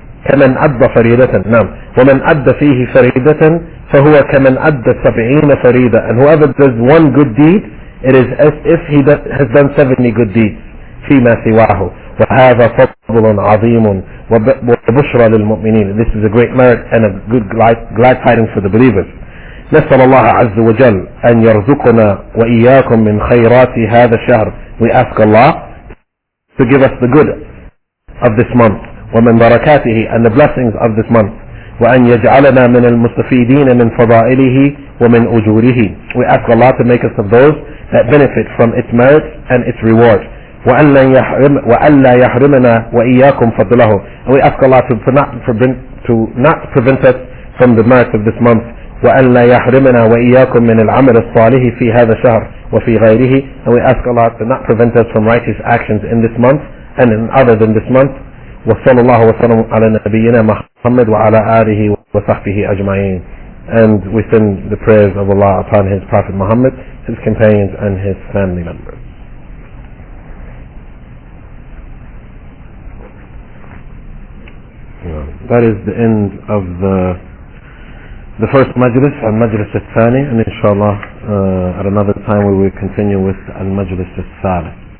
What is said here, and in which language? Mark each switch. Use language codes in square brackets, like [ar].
[ar] كَمَنْ أَدَّ فَرِيدَةً. نعم. وَمَنْ أَدَّ فِيهِ فَرِيدَةً فَهُوَ كَمَنْ أَدَّ سَبْعِينَ فَرِيدَةً. [en] And whoever does one good deed, it is as if he has done 70 good deeds. [ar] فِيمَا سِوَاهُ. وَهَذَا فَضْلٌ عَظِيمٌ وَبُشْرَى لِلْمُؤْمِنِينَ. [en] This is a great merit and a good glad tidings for the believers. [ar] نسأل الله عز وجل أن يرزقنا وإياكم من خيرات هذا الشهر. [en] We ask Allah to give us the good of this month, [ar] ومن بركاته, [en] and the blessings of this month. [ar] وأن يجعلنا من المستفيدين من فضائله ومن أجوره. [en] We ask Allah to make us of those that benefit from its merits and its reward. [ar] وأن لا يحرمنا وإياكم فضله. [en] And we ask Allah to not prevent us from the merits of this month. [ar] وأن لا يحرمنا وإياكم من العمل الصالح في هذا الشهر وفي غيره. [en] And we ask Allah to not prevent us from righteous actions in this month and in other than this month. [ar] وصلى الله وسلم على نبينا محمد وعلى آله وصحبه أجمعين. [en] And we send the prayers of Allah upon His Prophet Muhammad, His companions, and His family members. That is the end of the first majlis, al-majlis al-thani, and inshallah at another time we will continue with al-majlis al-thalith.